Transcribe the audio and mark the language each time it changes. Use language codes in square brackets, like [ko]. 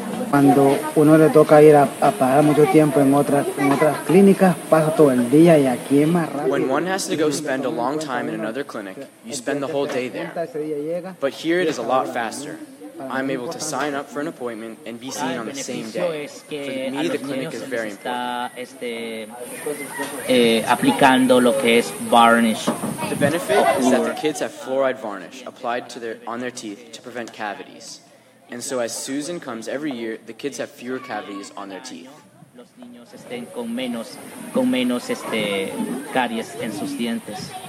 [es] Cuando uno le toca ir a pagar mucho tiempo en otras clínicas, pasa todo el día y aquí es más rápido. [en] When one has to go spend a long time in another clinic, you spend the whole day there. But here it is a lot faster. I'm able to sign up for an appointment and be seen on the same day. For me, the clinic is very important. [es] Aplicando lo que es varnish. [en] The benefit is that the kids have fluoride varnish applied to their teeth to prevent cavities. And so as Susan comes every year, the kids have fewer cavities on their teeth. [es] Los niños estén con menos caries en sus dientes.